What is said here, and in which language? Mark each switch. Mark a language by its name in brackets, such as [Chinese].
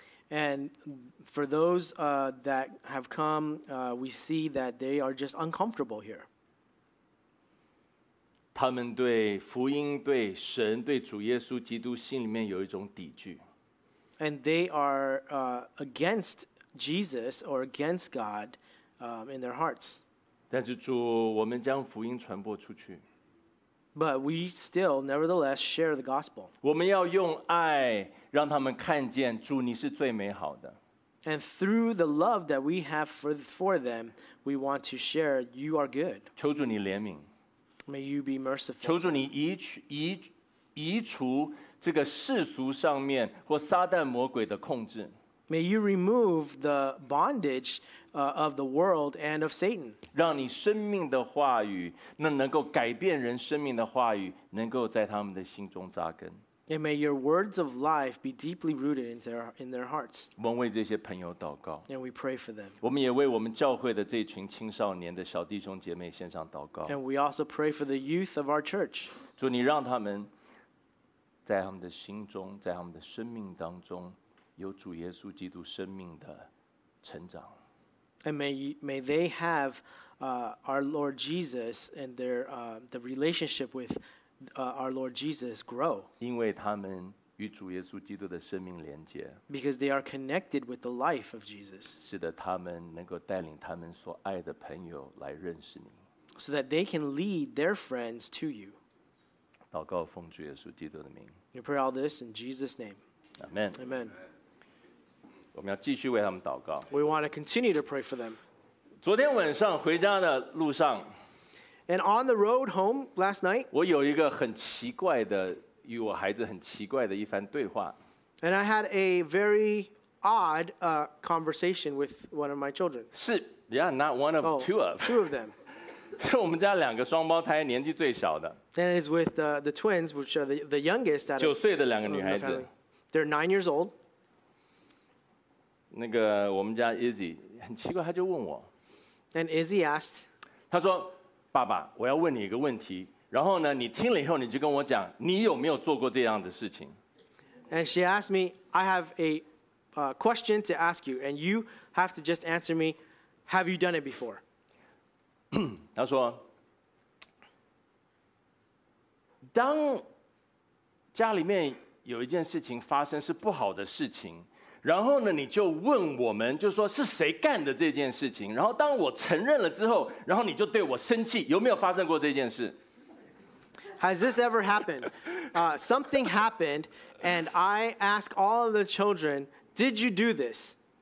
[English] And for those that have come, we see that they are just uncomfortable here. [Chinese] 他们对福音、对神、对主耶稣基督心里面有一种抵拒。 [English] And they are against Jesus or against God in their hearts. [Chinese] 但是主，我们将福音传播出去。 [English] But we still, nevertheless, share the gospel. [Chinese] 我们要用爱让他们看见主，你是最美好的。 [English] And through the love that we have for them, we want to share you are good. [Chinese] 求主你怜悯。 [English] May you be merciful. [Chinese] 求主你移除这个世俗上面或撒旦魔鬼的控制。 [English] May you remove the bondage of the world and of Satan. [Chinese] 让你生命的话语，那能够改变人生命的话语，能够在他们的心中扎根。 [English] And may your words of life be deeply rooted in their hearts. [Chinese] 我们为这些朋友祷告。 [English] And we pray for them. [Chinese] 我们也为我们教会的这群青少年的小弟兄姐妹献上祷告。 [English] And we also pray for the youth of our church. [Chinese] 主，你让他们在他们的心中，在他们的生命当中有主耶稣基督生命的成长。 [English] And may they have our Lord Jesus and their the relationship with our Lord Jesus grow. [Chinese] 因为他们与主耶稣基督的生命连接。 [English] Because they are connected with the life of Jesus. [Chinese] 使得他们能够带领他们所爱的朋友来认识你。 [English] So that they can lead their friends to you. [Chinese] 祷告奉主耶稣基督的名。 [English] We pray all this in Jesus' name. Amen. Amen. [Chinese] 我们要继续为他们祷告。 [English] We want to continue to pray for them. [Chinese] 昨天晚上回家的路上。 [English] And on the road home last night, [Chinese] 我有一个很奇怪的与我孩子很奇怪的一番对话。 [English] And I had a very odd conversation with one of my children. 是 ，Yeah, not one of two of. Two of them. [Chinese] 是我们家两个双胞胎，年纪最小的。 [English] Then it's with the twins, which are the youngest. [Chinese] 九岁的两个女孩子。 [English] They're 9 years old. [Chinese] 那个我们家 Izzy 很奇怪，她就问我。 [English] And Izzy asked. [Chinese] 她说。爸爸，我要问你一个问题。然后呢，你听了以后，你就跟我讲，你有没有做过这样的事情 [English] ？And she asked me, I have a question to ask you, and you have to just answer me. Have you done it before? [Chinese] 她说，当家里面有一件事情发生是不好的事情，然后呢，你就问我们，就说是谁干的这件事情。然后当我承认了之后，然后你就对我生气，有没有发生过这件事 [English] ？Has this ever happened? Something happened, and I ask all of the children, "Did you do this?"